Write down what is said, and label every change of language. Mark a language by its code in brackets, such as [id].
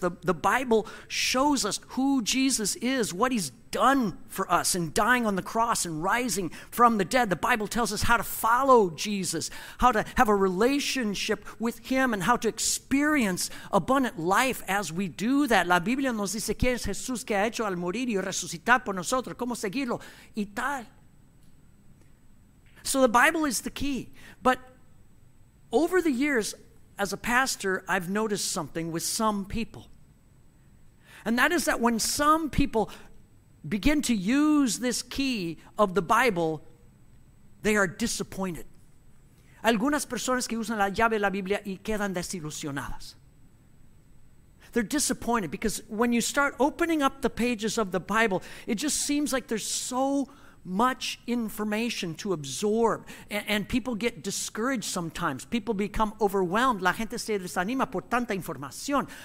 [en] The Bible shows us who Jesus is, what he's done for us in dying on the cross and rising from the dead. The Bible tells us how to follow Jesus, how to have a relationship with him, and how to experience abundant life as we do that. [es] La Biblia nos dice quién es Jesús que ha hecho al morir y resucitar por nosotros, cómo seguirlo y tal. [en] So the Bible is the key. But over the years, as a pastor, I've noticed something with some people. And that is that when some people begin to use this key of the Bible, they are disappointed. [es] Algunas personas que usan la llave de la Biblia y quedan desilusionadas. [en] They're disappointed because when you start opening up the pages of the Bible, it just seems like there's so much information to absorb, and people get discouraged sometimes. People become overwhelmed. [es] La gente se desanima por tanta información.